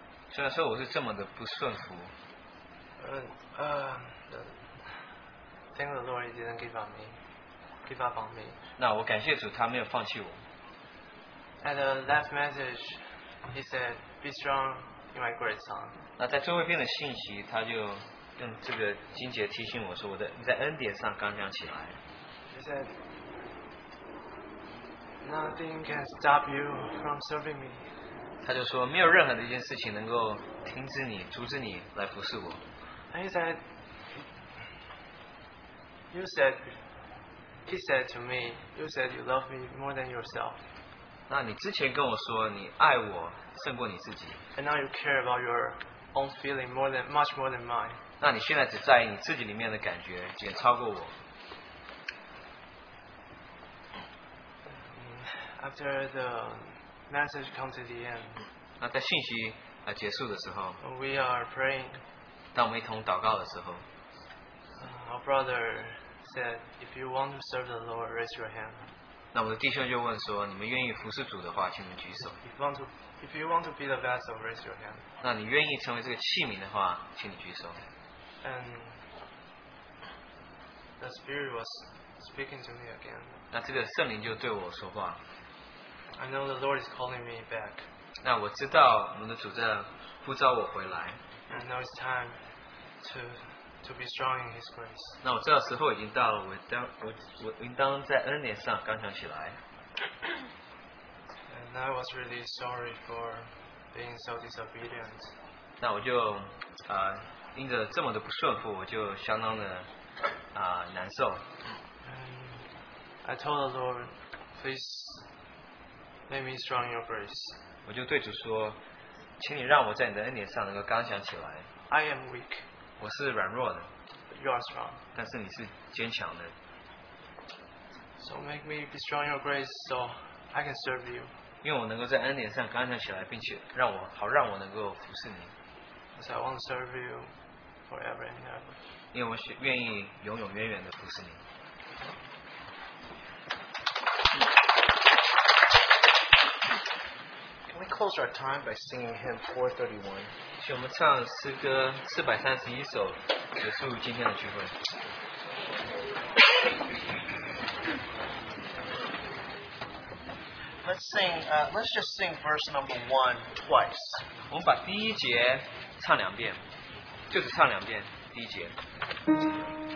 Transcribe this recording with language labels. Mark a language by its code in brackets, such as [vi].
[zh] 虽然说我是这么的不顺服。 [en] Thank the Lord, he didn't give up on me. [zh] 那我感谢主，他没有放弃我。 [en] At the last message. He said, "Be strong in my grace, son." [zh] 那在最后一篇的信息，他就用这个经节提醒我说，你在恩典上刚强起来。 [en] He said, "Nothing can stop you from serving me." [zh] 他就说，没有任何的一件事情能够停止你、阻止你来服侍我。 [en] And he said, "You said," he said to me, "You said you love me more than yourself." [zh] 那你之前跟我说你爱我胜过你自己。 [en] And now you care about your own feeling more than much more than mine. [zh] 那你现在只在意你自己里面的感觉，远超过我。 [en] After the message comes to the end. [zh] 那在信息结束的时候。 [en] We are praying. [zh] 当我们一同祷告的时候。 [en] Our brother said, "If you want to serve the Lord, raise your hand." [zh] 那我的弟兄就问说，你们愿意服侍主的话，请你们举手。 [en] If you want to be the vessel, raise your hand. [zh] 那你愿意成为这个器皿的话，请你举手。 [en] And the Spirit was speaking to me again. [zh] 那这个圣灵就对我说话。 [en] I know the Lord is calling me back. [zh] 那我知道我们的主在呼召我回来。 [en] And now it's time to be strong in His grace. [zh] 那我这时候已经到了，我应当在恩典上刚强起来。 [en] And I was really sorry for being so disobedient. [zh] 那我就因着这么的不顺服，我就相当的难受。 [en] And I told the Lord, "Please make me strong in Your grace." [zh] 我就对主说，请你让我在你的恩典上能够刚强起来。 [en] I am weak. [zh] 我是软弱的。 [en] You are strong. [zh] 但是你是坚强的。 [en] So make me be strong in your grace so I can serve you. [zh] 因为我能够在恩典上刚强起来，并且让我好让我能够服侍你。 [en] Because I want to serve you forever and ever. [zh] 因为我愿意永永远远的服侍你。 [en] Can we close our time by singing hymn 431? [zh] 请我们唱诗歌431首，结束今天的聚会。 [en] Let's just sing verse number 1 twice. [zh] 我们把第一节唱两遍，就只唱两遍，第一节。